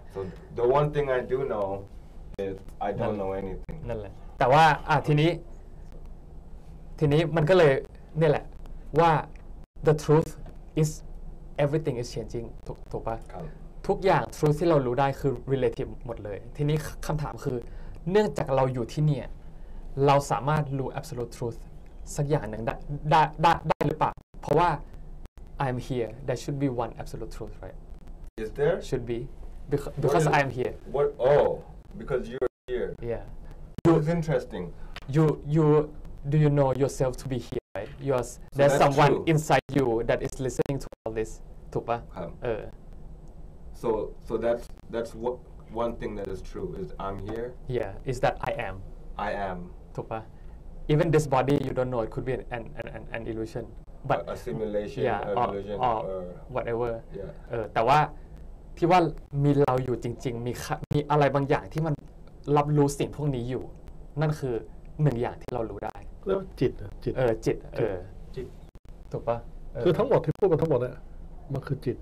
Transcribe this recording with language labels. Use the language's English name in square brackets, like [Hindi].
[English] so the one thing I do know is I don't know anything [Thai] นั่นแหละแต่ว่าทีนี้มันก็เลยนี่แหละว่า [English] the truth is everything is changing [Thai] ถูกป่ะ ครับ ทุกอย่าง truth ที่เรารู้ได้คือ relative หมดเลยทีนี้คำถามคือเนื่องจากเราอยู่ที่เนี่ยเราสามารถรู้ absolute truth สักอย่างหนึ่งได้หรือเปล่าเพราะว่า [English] I'm here there should be one absolute truth right is there should be because I'm here what oh because you're here yeah It's interesting. Do you know yourself to be here? Right? Yours. So there's someone true. Inside you that is listening to all this. [Thai] Tupa. [English] So that's what one thing that is true is I'm here. Yeah. Is that I am. I am. [Thai] Tupa. [English] Even this body, you don't know. It could be an illusion. But a simulation. Yeah. Or illusion or whatever. Yeah. [Thai] แต่ว่าที่ว่ามีเราอยู่จริงๆมีอะไรบางอย่างที่มันรับรู้สิ่งพวกนี้อยู่นั่นคือหนึ่งอย่างที่เรารู้ได้เรียกว่าจิตจิต จิต จิต ถูกปะ คือทั้งหมดที่พูดมาทั้งหมดเนี่ยมันคือจิต